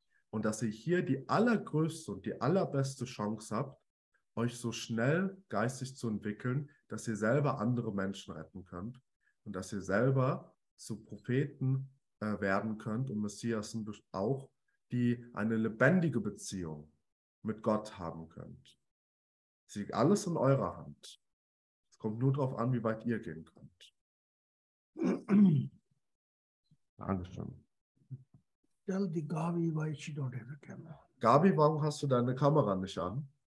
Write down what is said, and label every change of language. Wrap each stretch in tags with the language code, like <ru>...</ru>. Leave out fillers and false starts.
<de>Und dass ihr hier die allergrößte und die allerbeste Chance habt, euch so schnell geistig zu entwickeln, dass ihr selber andere Menschen retten könnt und dass ihr selber zu Propheten werden könnt und Messias auch, die eine lebendige Beziehung mit Gott haben könnt. Es liegt alles in eurer Hand. Es kommt nur darauf an, wie weit ihr gehen könnt. Dankeschön.</de> <en>Tell the Gabi why she don't have a camera.</en> <de>Gabi, warum hast du deine Kamera nicht an?</de>